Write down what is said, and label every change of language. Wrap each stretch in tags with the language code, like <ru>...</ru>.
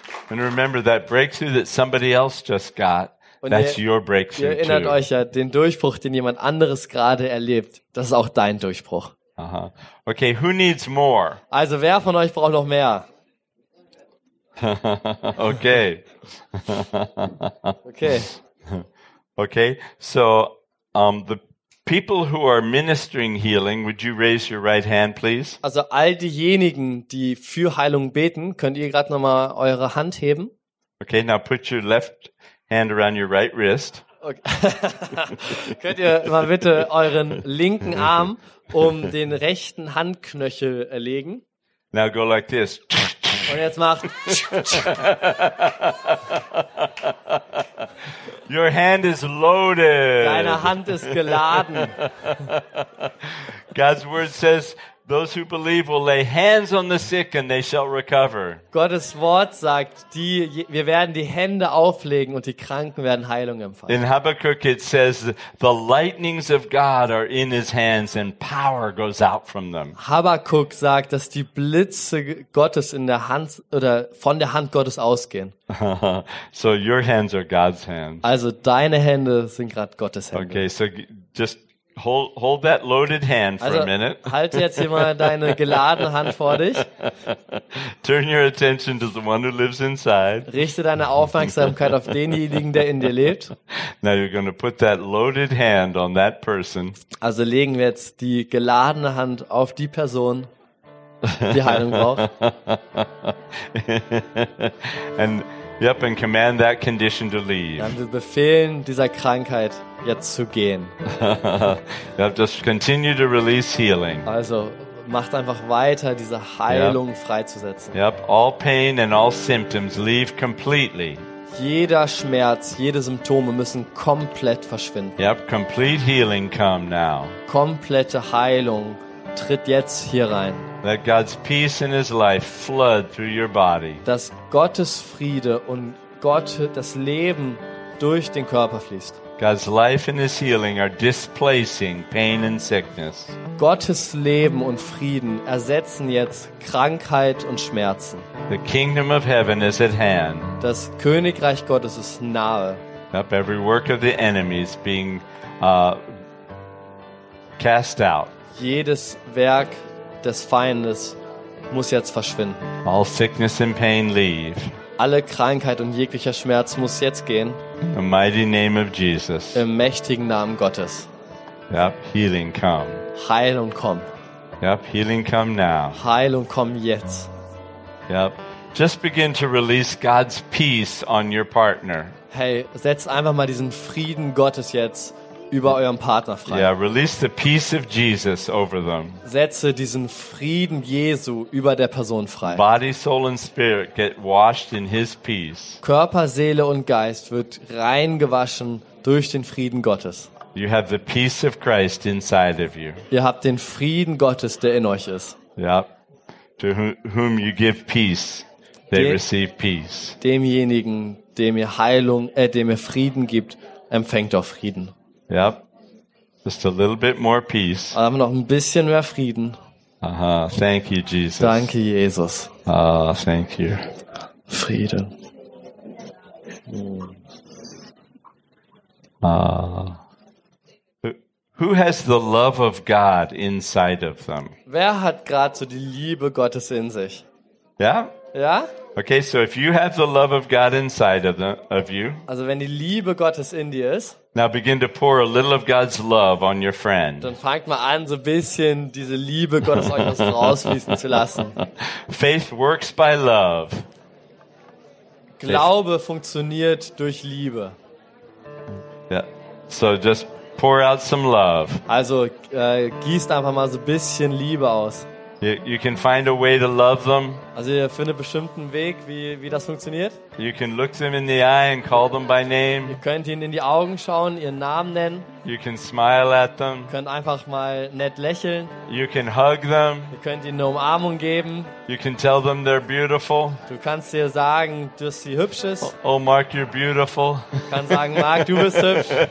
<en>And remember that breakthrough that somebody else just got. That's your breakthrough.</en> <de>Ihr erinnert euch ja, den Durchbruch, den jemand anderes gerade erlebt, das ist auch dein Durchbruch.</de> <en>Aha. Okay, who needs more?</en> <de>Also, wer von euch braucht noch mehr?</de> <en>Okay. Okay. Okay. So, the people who are ministering healing, would you raise your right hand, please?</en> <de>Also all diejenigen, die für Heilung beten, könnt ihr gerade nochmal eure Hand heben?</de> <en>Okay, now put your left hand around your right wrist. Okay.</en> <de>Könnt ihr mal bitte euren linken Arm um den rechten Handknöchel legen?</de> <en>Now go like this.</en> <de>Und jetzt macht.</de> <en>Your hand is loaded.</en> <de>Deine Hand ist geladen.</de> <en>God's word says, those who believe will lay hands on the sick and they shall recover.</en> <de>Gottes Wort sagt, wir werden die Hände auflegen und die Kranken werden Heilung empfangen.</de> <en>In Habakkuk it says, the lightnings of God are in his hands and power goes out from them.</en> <de>Habakkuk sagt, dass die Blitze Gottes in der Hand oder von der Hand Gottes ausgehen.</de> <en>So your hands are God's hands.</en> <de>Also deine Hände sind gerade Gottes Hände.</de> <en>Okay, so just hold that loaded hand for also, a minute.</en> <de>Halte jetzt hier mal deine geladene Hand vor dich.</de> <en>Turn your attention to the one who lives inside.</en> <de>Richte deine Aufmerksamkeit auf denjenigen, der in dir lebt.</de> <en>Now you're going to put that loaded hand on that person.</en> <de>Also legen wir jetzt die geladene Hand auf die Person, die Heilung braucht.</de> <en>And yep, and command that condition to leave.</en> <de>Dann wir befehlen dieser Krankheit jetzt zu gehen.</de> <en>Yep, just continue to release healing.</en> <de>Also macht einfach weiter, diese Heilung yep. freizusetzen.</de> <en>Yep, all pain and all symptoms leave completely.</en> <de>Jeder Schmerz, jede Symptome müssen komplett verschwinden.</de> <en>Yep, complete healing come now.</en> <de>Komplette Heilung tritt jetzt hier rein.</de> <en>Let God's peace and his life flood through your body.</en> <de>Dass Gottes Friede und Gott das Leben durch den Körper fließt.</de> <en>God's life and his healing are displacing pain and sickness.</en> <de>Gottes Leben und Frieden ersetzen jetzt Krankheit und Schmerzen.</de> <en>The kingdom of heaven is at hand.</en> <de>Das Königreich Gottes ist nahe.</de> <en>Yep, every work of the enemy is being cast out.</en> <de>Jedes Werk des Feindes muss jetzt verschwinden.</de> <en>All sickness and pain leave.</en> <de>Alle Krankheit und jeglicher Schmerz muss jetzt gehen.</de> <en>In the mighty name of Jesus.</en> <de>Im mächtigen Namen Gottes.</de> <en>Yep, healing come.</en> <de>Heilung komm.</de> <en>Yep, healing come now.</en> <de>Heilung komm jetzt.</de> <en>Yep. Just begin to release God's peace on your partner.</en> <de>Hey, setz einfach mal diesen Frieden Gottes jetzt über euren Partner frei.</de> <en>Yeah, release the peace of Jesus over them.</en> <de>Setze diesen Frieden Jesu über der Person frei.</de> <en>Body, soul and spirit get washed in his peace.</en> <de>Körper, Seele und Geist wird reingewaschen durch den Frieden Gottes.</de> <en>You have the peace of Christ inside of you.</en> <de>Ihr habt den Frieden Gottes, der in euch ist.</de> <en>Yeah. To whom you give peace, they receive peace.</en> <de>Demjenigen, dem ihr Heilung, dem ihr Frieden gibt, empfängt auch Frieden.</de> <en>Yep. Just a little bit more peace.</en> <de>Aber noch ein bisschen mehr Frieden.</de> <en>Aha, thank you, Jesus.</en> <de>Danke, Jesus.</de> <en>Ah, thank you.</en> <de>Frieden.</de> <en>Who has the love of God inside of them?</en> <de>Wer hat gerade so die Liebe Gottes in sich?</de> <en>Yeah? Yeah? Okay, so if you have the love of God inside of you.</en> <de>Also wenn die Liebe Gottes in dir ist.</de> <en>Now begin to pour a little of God's love on your friend.</en> <de>Dann fangt mal an, so ein bisschen diese Liebe Gottes euch rausfließen zu lassen.</de> <en>Faith works by love.</en> <de>Glaube funktioniert durch Liebe.</de> <en>Yeah. So just pour out some love.</en> <de>Also gießt einfach mal so ein bisschen Liebe aus.</de> <en>You can find a way to love them.</en> <de>Also ihr findet bestimmt einen Weg, wie das funktioniert.</de> <en>You can look them in the eye and call them by name.</en> <de>Ihr könnt ihnen in die Augen schauen, ihren Namen nennen.</de> <en>You can smile at them.</en> <de>Ihr könnt einfach mal nett lächeln.</de> <en>You can hug them.</en> <de>Ihr könnt ihnen eine Umarmung geben.</de> <en>You can tell them they're beautiful.</en> <de>Du kannst ihr sagen, dass sie hübsch ist.</de> <en>Oh, Mark, you're beautiful.</en> <de>Du kannst sagen, Mark, du bist hübsch.</de>